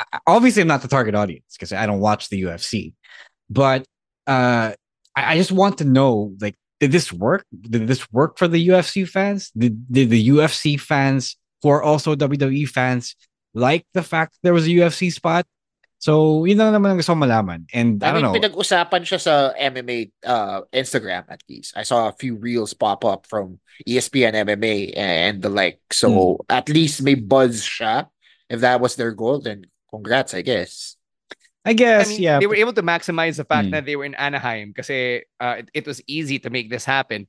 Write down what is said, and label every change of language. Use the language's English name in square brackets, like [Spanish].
[English] Obviously, I'm not the target audience because I don't watch the UFC. But, I just want to know, like, did this work? Did this work for the UFC fans? Did the UFC fans, who are also WWE fans, like the fact that there was a UFC spot? [Filipino] So, yun lang naman ang gusto malaman. [English] And I don't know. [Filipino] Pinag-usapan siya sa MMA Instagram, at least. [English] I saw a few reels pop up from ESPN MMA and the like. So, at least [Filipino] may buzz siya. [English] If that was their goal, then congrats, I guess. I guess, they were able to maximize the fact that they were in Anaheim because it was easy to make this happen.